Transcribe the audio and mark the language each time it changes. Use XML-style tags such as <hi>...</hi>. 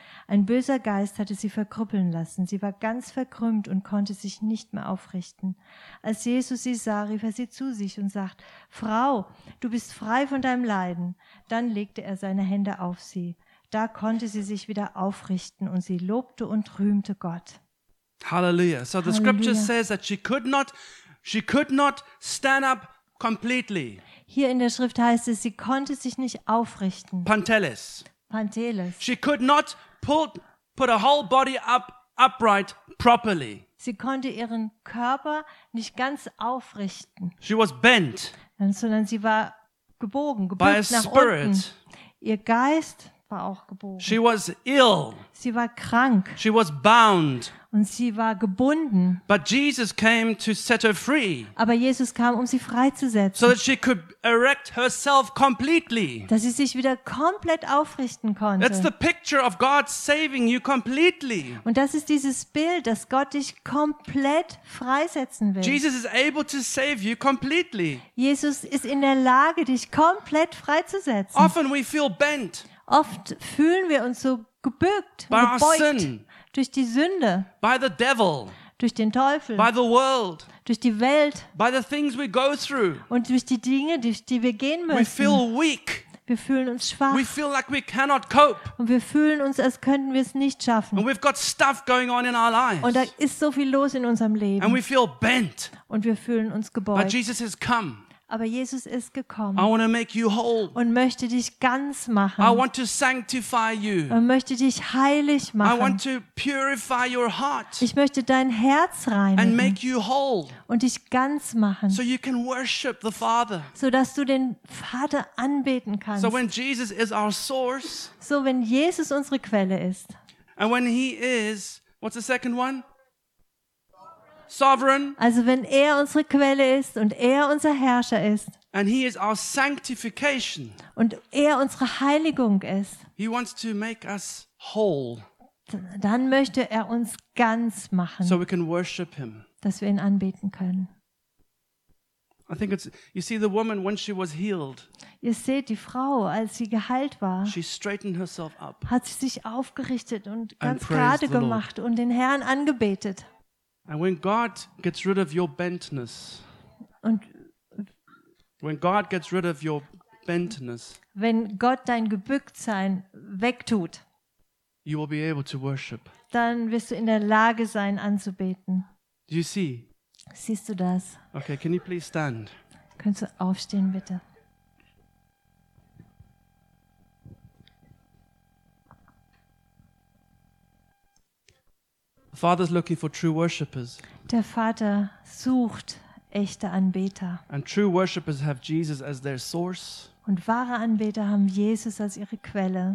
<de>Ein böser Geist hatte sie verkrüppeln lassen. Sie war ganz verkrümmt und konnte sich nicht mehr aufrichten. Als Jesus sie sah, rief er sie zu sich und sagte: "Frau, du bist frei von deinem Leiden." Dann legte er seine Hände auf sie. Da konnte sie sich wieder aufrichten und sie lobte und rühmte Gott. Halleluja.</de> <en>So the scripture says that she could not stand up completely.</en> <de>Hier in der Schrift heißt es, sie konnte sich nicht aufrichten. Panteles.</de> <en>She could not put her whole body upright properly.</en> <de>Sie konnte ihren Körper nicht ganz aufrichten.</de> <en>She was bent.</en> <de>Sondern sie war gebückt nach unten. Ihr Geist war auch gebogen.</de> <en>She was ill.</en> <de>Sie war krank.</de> <en>She was bound.</en> <de>Und sie war gebunden.</de> <en>But Jesus came to set her free.</en> <de>Aber Jesus kam, um sie freizusetzen.</de> <en>So that she could erect herself completely.</en> <de>Dass sie sich wieder komplett aufrichten konnte.</de> <en>That's the picture of God saving you completely.</en> <de>Und das ist dieses Bild, dass Gott dich komplett freisetzen will.</de> <en>Jesus is able to save you completely.</en> <de>Jesus ist in der Lage, dich komplett freizusetzen.</de> <en>Often we feel bent.</en> <de>Oft fühlen wir uns so gebückt, gebeugt durch die Sünde,</de> <en>by the devil,</en> <de>durch den Teufel,</de> <en>by the world,</en> <de>durch die Welt,</de> <en>by the things we go through,</en> <de>und durch die Dinge, durch die wir gehen müssen.</de> <en>We feel weak.</en> <de>Wir fühlen uns schwach.</de> <en>We feel like we cannot cope.</en> <de>Und wir fühlen uns, als könnten wir es nicht schaffen.</de> <en>And we've got stuff going on in our lives.</en> <de>Und da ist so viel los in unserem Leben.</de> <en>And we feel bent.</en> <de>Und wir fühlen uns gebeugt.</de> <en>But Jesus has come.</en> <de>Aber Jesus ist gekommen.</de> <en>I want to make you whole.</en> <de>Und möchte dich ganz machen.</de> <en>I want to sanctify you.</en> <de>Und möchte dich heilig machen.</de> <en>I want to purify your heart.</en> <de>Ich möchte dein Herz reinigen.</de> <en>And make you whole.</en> <de>Und dich ganz machen.</de> <en>So you can worship the Father.</en> <de>So dass du den Vater anbeten kannst.</de> <en>So when Jesus is our source.</en> <de>So wenn Jesus unsere Quelle ist.</de> <en>And when he is, what's the second one? Sovereign.</en> <de>Also wenn er unsere Quelle ist und er unser Herrscher ist.</de> <en>And he is our sanctification.</en> <de>Und er unsere Heiligung ist.</de> <en>He wants to make us whole.</en> <de>Dann möchte er uns ganz machen.</de> <en>So we can worship him.</en> <de>Dass wir ihn anbeten können.</de> <en>I think it's, you see the woman when she was healed.</en> <de>Ihr seht die Frau, als sie geheilt war.</de> <en>She straightened herself up.</en> <de>Hat sie sich aufgerichtet und ganz gerade gemacht und den Herrn angebetet.</de> <en>And when God gets rid of your bentness,</en> <de>und</de> <en>when God gets rid of your bentness,</en> <de>wenn Gott dein Gebücktsein wegtut,</de> <en>you will be able to worship.</en> <de>Dann wirst du in der Lage sein, anzubeten.</de> <en>Do you see?</en> <de>Siehst du das?</de> <en>Okay, can you please stand?</en> <de>Könntest du aufstehen, bitte?</de> <en>Father's looking for true worshippers.</en> <de>Der Vater sucht echte Anbeter.</de> <en>And true worshippers have Jesus as their source.</en> <de>Und wahre Anbeter haben Jesus als ihre Quelle.</de>